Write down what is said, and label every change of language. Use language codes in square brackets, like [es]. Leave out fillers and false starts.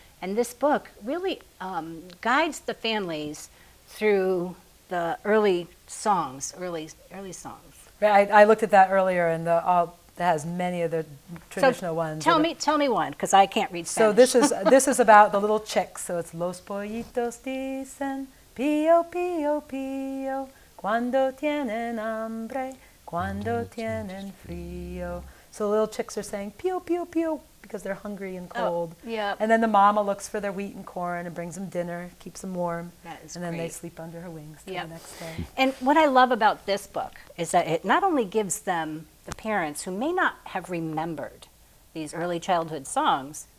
[en] And this book really guides the families through the early songs. Right, I looked at that earlier and that has many of the traditional ones. Tell me one, because I can't read Spanish. So this is about the little chicks. So it's Los Pollitos Dicen. [es] Pío, pío, pío, cuando tienen hambre, cuando tienen frío. [en] So the little chicks are saying, pío, pío, pío, because they're hungry and cold. Oh, yeah. And then the mama looks for their wheat and corn and brings them dinner, keeps them warm. That is and then great. They sleep under her wings yep. the next day. And what I love about this book is that it not only gives them, the parents who may not have remembered these early childhood songs